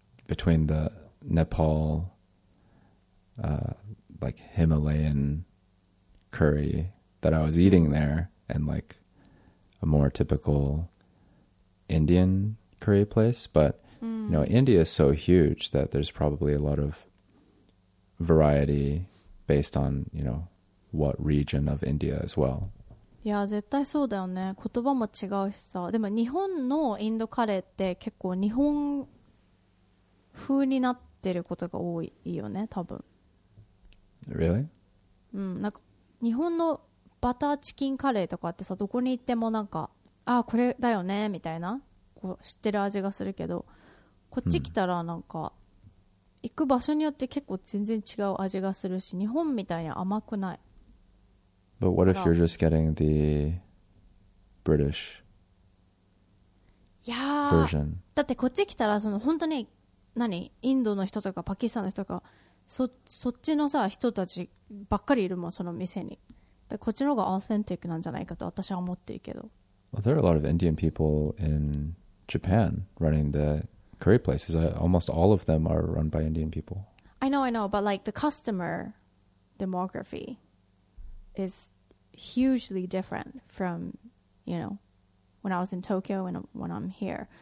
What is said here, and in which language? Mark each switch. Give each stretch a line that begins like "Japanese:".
English: Between the Nepal, like Himalayan curry that I was eating there, and like a more typical. Indian curry place, but you know, India is so huge that there's probably a lot of variety based on, you know, what region of India as well.
Japanese: Yeah, 絶対そうだよね。言葉も違うしさ。でも日本のインドカレーって結構日本風になってることが多いよね、多分。
English: Really?
Japanese: なんか日本のバターチキンカレーとかってさ、どこに行ってもなんかああこれだよねみたいなこう知ってる味がするけどこっち来たらなんか行く場所によって結構全然違う味がするし、日本みたいに甘くない。
English: But what if you're just getting the British version?
Japanese: だってこっち来たらその本当に何インドの人とかパキスタンの人とか そっちのさ人たちばっかりいるもん、その店に。こっちの方がアーセンティックなんじゃないかと私は思ってるけど。
English: Well, there are a lot of Indian people in Japan running the curry places. Almost all of them are run by Indian people. I know, but like the customer demography is hugely different from, you know, when I was in Tokyo and when I'm here.